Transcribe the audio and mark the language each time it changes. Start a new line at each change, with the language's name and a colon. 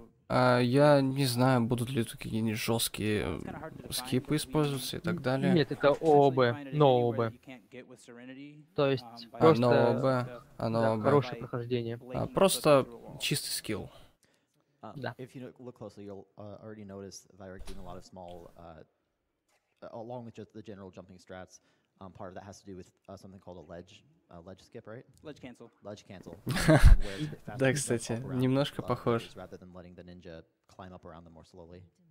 Russian: Я не знаю, будут ли тут какие-нибудь жесткие скипы использоваться и так далее. Нет, это ООБ, ноооБ. То есть просто хорошее прохождение. Просто чистый скилл. Да.
English: If you look closely, you'll already notice Vyrek doing a lot of small, along with just the general jumping strats. Part of that has to do with something called a ledge skip, right? Ledge cancel. Ledge cancel.
Russian: Да, кстати, немножко похож.
English: Rather than letting the ninja climb up around them more slowly.